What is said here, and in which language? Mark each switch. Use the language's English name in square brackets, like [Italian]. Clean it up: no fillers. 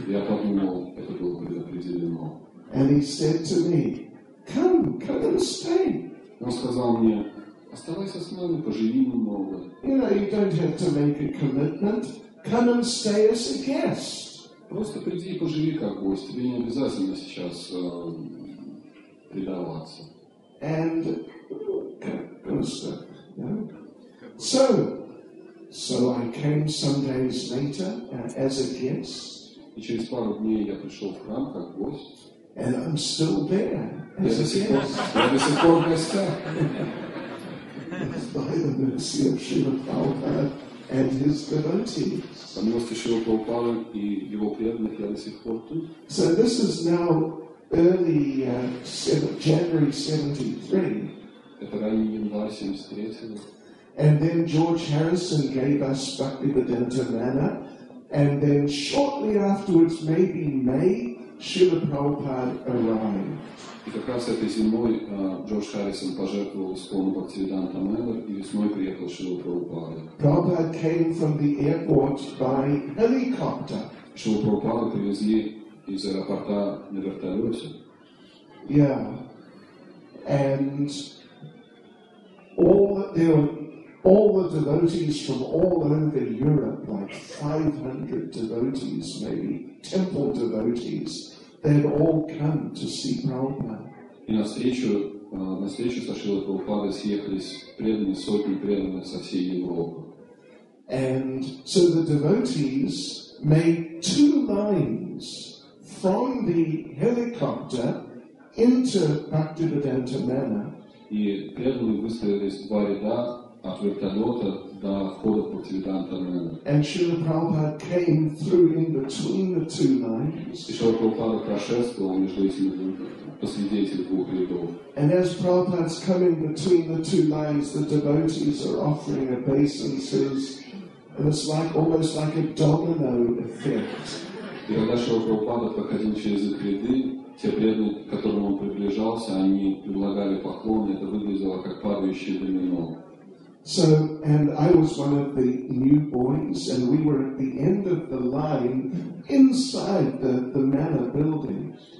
[Russian] Я подумал, это было предопределено. [English] And he said to me, Come and stay. [Russian] Он сказал мне, оставайся с нами, поживи немного. [English] You know, you don't have to make a commitment. Come and stay as a guest. [Russian] Просто приди и поживи как гость. Тебе не обязательно сейчас предаваться. [English] And come and stay. So I came some days later as a guest. [Russian] И через пару дней я пришел в храм как гость. [English] And I'm still there. As a guest. [Russian] Я до сих пор в гостях. [English] By the mercy of Srila Prabhupada and his devotees. [Russian] По милости Шрилы Прабхупады и его преданных я до сих пор тут. [English] So this is now early January 73. [Russian] Это ранний январь 73-го. [English] And then George Harrison gave us Bhaktivedanta Manna. And then shortly afterwards, maybe May, Srila Prabhupada arrived. [Russian] И как раз этой зимой Джордж Харрисон пожертвовал исполнен Бхактивиданта Мэллер, и весной приехал Шрила Прабхупада. [English] Prabhupada came from the airport by helicopter. [Russian] Шрила Прабхупада привезли из аэропорта на вертолете. [English] Yeah. And all the devotees from all over Europe, like 500 devotees maybe, temple devotees, they had all come to see Prabhupada. [Russian] И на встречу со Шрилой Прабхупадой съехались преданные, сотни преданных со всей Европы. [English] And so the devotees made two lines from the helicopter into Bhaktivedanta Manor. [Russian] И преданные выстроились два ряда от вертолета до входа в Бхактивиданта Манор. [English] And Srila Prabhupada came through in between the two lines. [Russian] И Шрила Прабхупада прошествовал между этими двух рядов. [English] And as Prabhupada's coming between the two lines, the devotees are offering obeisances, and it's like almost like a domino effect. [Russian] И когда Шрила Прабхупада проходил через эти ряды, те преданные, к которым он приближался, они предлагали поклоны, это выглядело как падающее домино. [English] So, and I was one of the new boys, and we were at the end of the line, inside the manor building.